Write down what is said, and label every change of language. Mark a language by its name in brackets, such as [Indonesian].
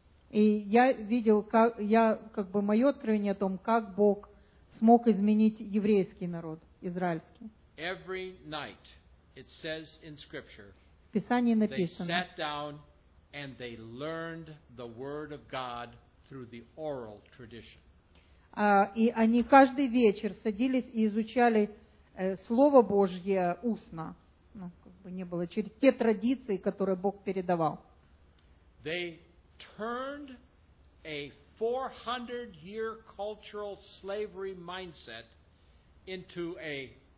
[Russian] И я видел, мое откровение о том, как Бог смог изменить еврейский народ, израильский. [English] Every night, it says in Scripture, [Russian] в Писании написано, [English] they sat down and they learned the word of God through the oral tradition. [Russian] И они каждый вечер садились и изучали Слово Божье устно. Ну, как бы не было, через те традиции, которые Бог передавал. [English] They turned a 400-year cultural slavery mindset into a